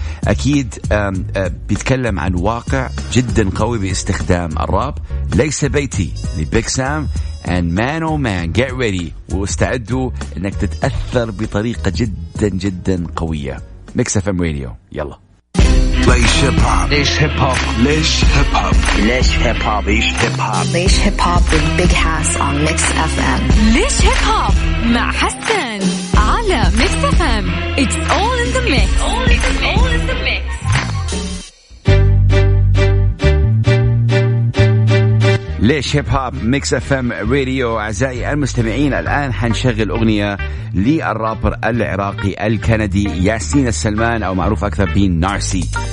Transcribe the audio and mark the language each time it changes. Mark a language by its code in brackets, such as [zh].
[ar] فأكيد بيتكلم عن واقع جدا قوي باستخدام الراب. ليس بيتي لبيك سام [en] and man oh man get ready، [ar] واستعدوا انك تتأثر بطريقة جدا جدا قوية. Mix FM Radio يلا. [en] Laish Hip Hop. Laish Hip Hop. Laish Hip Hop. Laish Hip Hop. Laish Hip Hop. Laish Hip Hop with Big Hass on Mix FM. Laish Hip Hop. [ar] مع حسن على Mix FM. [en] It's all in the mix. All in the mix. [ar] ليش هيب هوب ميكس اف ام راديو. اعزائي المستمعين الان حنشغل اغنيه للرابر العراقي الكندي ياسين السلمان، او معروف اكثر بنارسي.